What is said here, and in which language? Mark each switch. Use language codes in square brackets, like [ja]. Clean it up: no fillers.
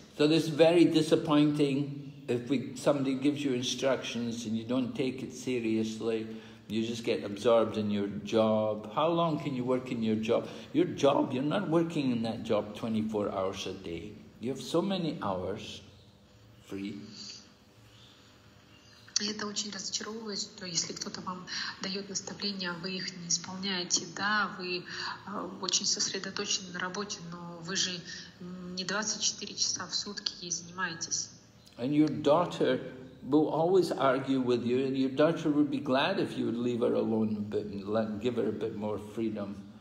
[en] So this is very disappointing if somebody gives you instructions and you don't take it seriously, you just get absorbed in your job. How long can you work in your job? Your job, you're not working in that job 24 hours a day. You have so many hours free. [ru] Это очень разочаровывает, что если кто-то вам дает наставления, вы их не исполняете. Да, вы очень сосредоточены на работе, но вы же не 24 часа в сутки ей занимаетесь. [en] And your daughter will always argue with you, and your daughter would be glad if you would leave her alone a bit and let, give her a bit more freedom.